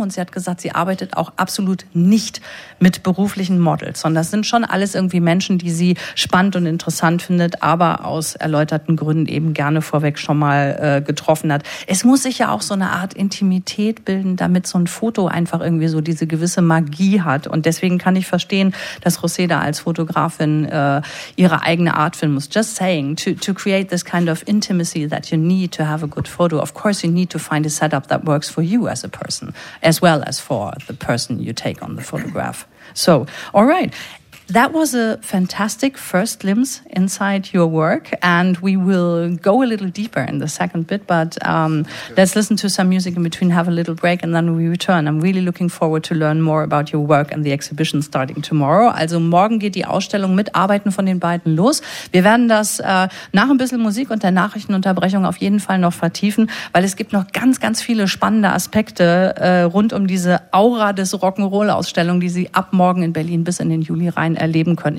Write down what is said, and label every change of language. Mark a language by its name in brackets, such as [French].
[German] Und sie hat gesagt, sie arbeitet auch absolut nicht mit beruflichen Models, sondern das sind schon alles irgendwie Menschen, die sie spannend und interessant findet, aber aus erläuterten Gründen eben gerne vorweg schon mal getroffen hat. Es muss sich ja auch so eine Art Intimität bilden, damit so ein Foto einfach irgendwie so diese gewisse Magie hat. Und deswegen kann ich verstehen, dass José da als Fotografin ihre eigene Art finden muss. [English] Just saying, to create this kind of intimacy that you need to have a good photo. Of course, you need to find a setup that works for you as a person, as well as for the person you take on the photograph. So, all right. That was a fantastic first glimpse inside your work, and we will go a little deeper in the second bit, but let's listen to some music in between, have a little break, and then we return. I'm really looking forward to learn more about your work and the exhibition starting tomorrow. [German] Also morgen geht die Ausstellung mit Arbeiten von den beiden los. Wir werden das nach ein bisschen Musik und der Nachrichtenunterbrechung auf jeden Fall noch vertiefen, weil es gibt noch ganz, ganz viele spannende Aspekte rund um diese Aura des Rock'n'Roll-Ausstellung, die sie ab morgen in Berlin bis in den Juli rein erleben können.